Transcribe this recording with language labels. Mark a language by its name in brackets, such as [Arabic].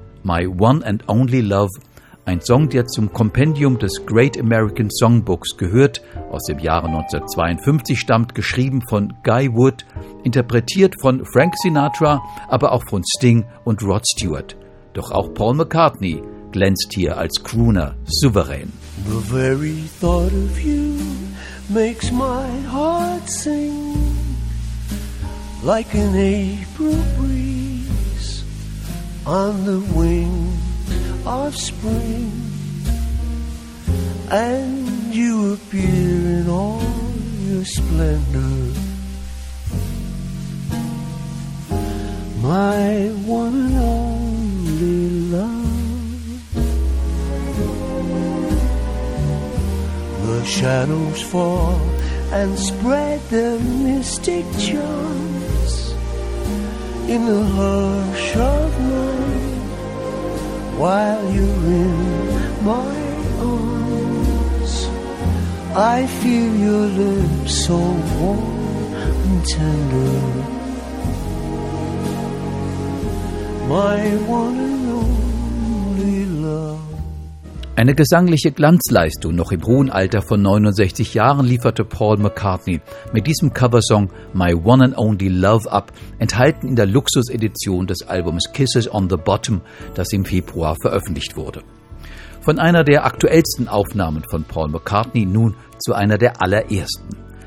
[German] My One and Only Love, ein Song, der zum Kompendium des Great American Songbooks gehört, aus dem Jahre 1952 stammt, geschrieben von Guy Wood, interpretiert von Frank Sinatra, aber auch von Sting und Rod Stewart. Doch auch Paul McCartney glänzt hier als Crooner souverän. [English] The very thought of you makes my heart sing like an April breeze on the wing of spring. And you appear in all your splendor, my one and only love. The shadows fall and spread their mystic charm in the hush of night. While you're in my arms, I feel your lips so warm and tender, my one and only love. [German] Eine gesangliche Glanzleistung noch im hohen Alter von 69 Jahren lieferte Paul McCartney mit diesem Coversong My One and Only Love ab, enthalten in der Luxusedition des Albums Kisses on the Bottom, das im Februar veröffentlicht wurde. Von einer der aktuellsten Aufnahmen von Paul McCartney nun zu einer der allerersten.